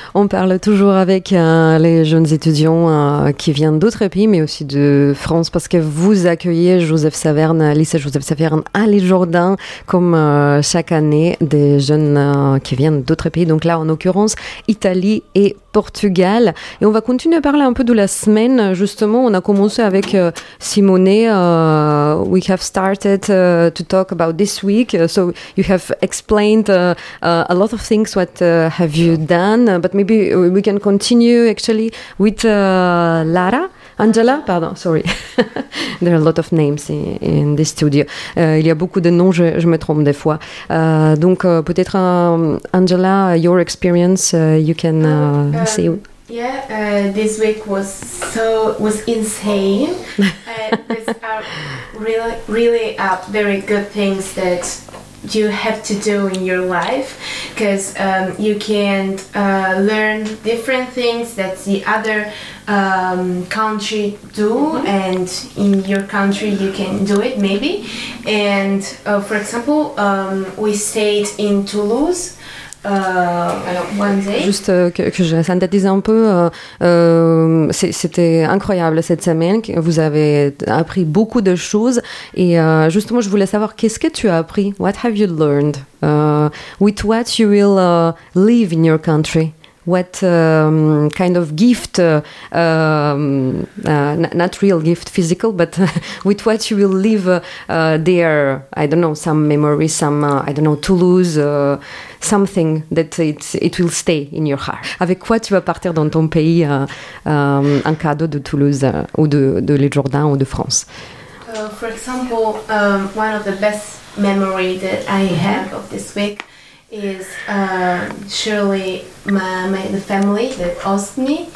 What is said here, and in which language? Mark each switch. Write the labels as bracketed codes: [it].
[fr] On parle toujours avec les jeunes étudiants qui viennent d'autres pays, mais aussi de France, parce que vous accueillez Joseph Saverne, lycée Joseph Saverne à Les Jourdains, comme chaque année, des jeunes qui viennent d'autres pays, donc là en l'occurrence Italie et Portugal. Et on va continuer à parler un peu de la semaine. Justement, on a commencé avec Simone. [en] We have started to talk about this week. So you have explained a lot of things. What have you done? But maybe we can continue actually with Lara. Angela, pardon, sorry. There are a lot of names in this studio. [fr] Il y a beaucoup de noms, je me trompe des fois. Donc peut-être, [en] Angela, your experience, you can say. Yeah, this week was insane. These are really, really very good things that you have to do in your life, because you can learn different things that the other country do, mm-hmm. and in your country you can do it maybe. And for example, we stayed in Toulouse one day. [fr] Juste que je synthétise un peu, c'était incroyable cette semaine, vous avez appris beaucoup de choses, et justement je voulais savoir qu'est-ce que tu as appris. [en] What have you learned? With what you will live in your country? What kind of gift, not real gift, physical, but with what you will live there? I don't know, some memory, some, I don't know, Toulouse, something that it will stay in your heart. [fr] Avec quoi tu vas partir dans ton pays, un cadeau de Toulouse, ou de Les Jourdains, ou de France? [en] For example, one of the best memory that I have of this week is surely the family that asked me.